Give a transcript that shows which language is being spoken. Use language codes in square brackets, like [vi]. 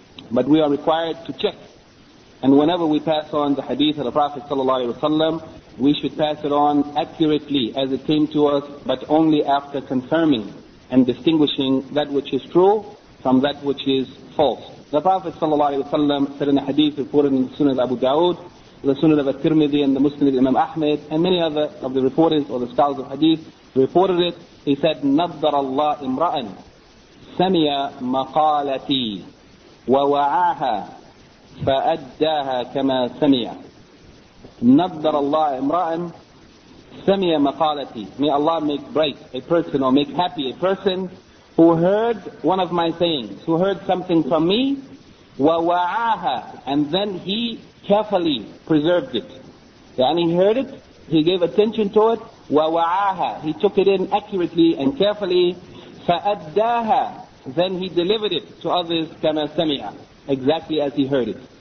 [en] But we are required to check. And whenever we pass on the hadith of the Prophet sallallahu alaihi wasallam, we should pass it on accurately as it came to us, but only after confirming and distinguishing that which is true from that which is false. The Prophet sallallahu alaihi wasallam said in a hadith reported in the Sunan Abu Dawud, the Sunan of At-Tirmidhi, and the Muslim of Imam Ahmed, and many other of the reporters or the scholars of hadith reported it. He said, [ar] نَضَّرَ اللَّهُ إِمْرَأً سَمِيَ مَقَالَتِي وَوَعَاهَا فَأَدَّاهَا كَمَا سَمِيَ. نَضَّرَ اللَّهُ إِمْرَأً سَمِيَ مَقَالَتِي. [en] May Allah make bright a person, or make happy a person who heard one of my sayings, who heard something from me, [ar] وَوَعَاهَا, [en] and then he carefully preserved it. And he heard it, he gave attention to it, [ar] وَوَعَاهَا, [en] he took it in accurately and carefully, [ar] فَأَدَّاهَا, [en] then he delivered it to others, [ar] كَمَا سَمِعَ, [en] exactly as he heard it.